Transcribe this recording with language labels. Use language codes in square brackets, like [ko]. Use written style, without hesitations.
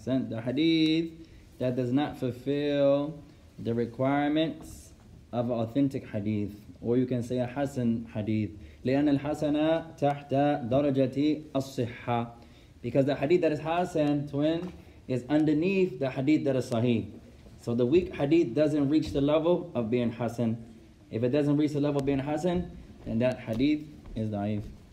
[en] The hadith that does not fulfill the requirements of authentic hadith, or you can say a hasan hadith. [ar] لأن الحسنة تحت درجة الصحة. [en] Because the hadith that is hasan, twin, is underneath the hadith that is sahih. So the weak hadith doesn't reach the level of being hasan. If it doesn't reach the level of being hasan, then that hadith is da'if.